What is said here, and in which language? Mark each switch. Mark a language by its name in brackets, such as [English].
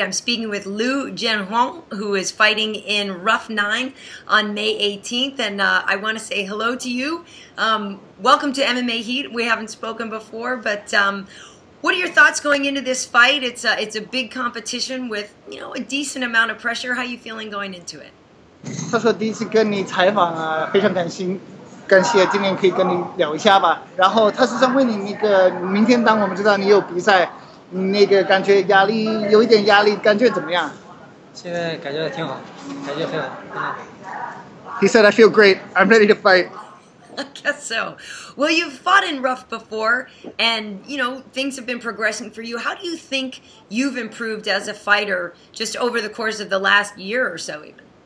[English] I'm speaking with Liu ZhenHong, who is fighting in RUFF 9 on May 18th. And I want to say hello to you. Welcome to MMA Heat. We haven't spoken before, but what are your thoughts going into this fight? It's a big competition with, you know, a decent amount of pressure. How are you feeling going into it? [Chinese] 他说第一次跟你采访啊，非常感谢，今天可以跟你聊一下吧。然后他是想问你那个明天当我们知道你有比赛，你那个感觉压力有一点压力，感觉怎么样？现在感觉挺好，感觉很好。 [English] He said I feel great. I'm ready to fight. I guess so. Well, you've fought in RUFF before, and you know things have been progressing for you. How do you think you've improved as a fighter just over the course of the last year or so, even?